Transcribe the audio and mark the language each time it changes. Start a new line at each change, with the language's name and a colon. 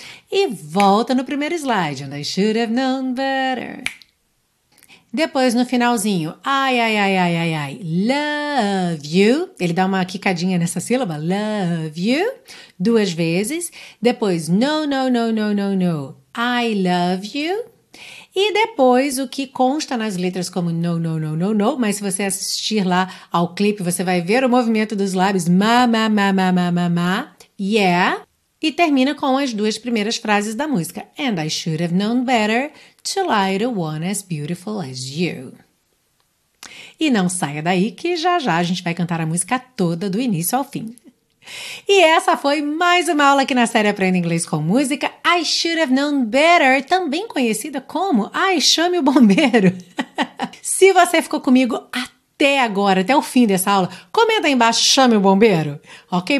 Portuguese: E volta no primeiro slide.
English: And I should have known better.
Portuguese: Depois, no finalzinho, ai, ai, ai, ai, ai, ai, love you. Ele dá uma quicadinha nessa sílaba, love you, duas vezes. Depois, no, no, no, no, no, no,
English: I love you.
Portuguese: E depois, o que consta nas letras como no, no, no, no, no, mas se você assistir lá ao clipe, você vai ver o movimento dos lábios, ma, ma, ma, ma, ma, ma, ma, yeah. E termina com as duas primeiras frases da música.
English: And I should have known better to lie to one as beautiful as you.
Portuguese: E não saia daí que já já a gente vai cantar a música toda do início ao fim. E essa foi mais uma aula aqui na série Aprenda Inglês com Música.
English: I should have known better,
Portuguese: também conhecida como Ai, chame o bombeiro. Se você ficou comigo até agora, até o fim dessa aula, comenta aí embaixo, chame o bombeiro, ok?